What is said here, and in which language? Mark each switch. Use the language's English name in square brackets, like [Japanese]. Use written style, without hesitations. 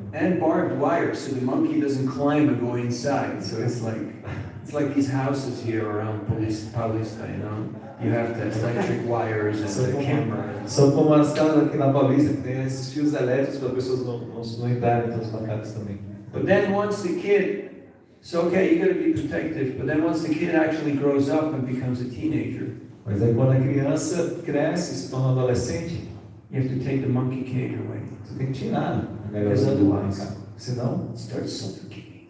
[English] And barbed wire so the monkey doesn't climb and go inside. So it's like these houses here around Palestra, you know. You have to have electric wires and a camera. [Portuguese] São como as casas aqui na Paulista que tem esses fios elétricos para as pessoas não entrarem nos macacos também. [English] But then once the kid, so okay, you got to be protective. But then once the kid actually grows up and becomes a teenager, [Portuguese] mas aí quando a criança cresce, se torna adolescente, [English] you have to take the monkey cage away. [Portuguese] Você tem que tirar. [English] Because otherwise, [Portuguese] senão, [English] it starts suffocating.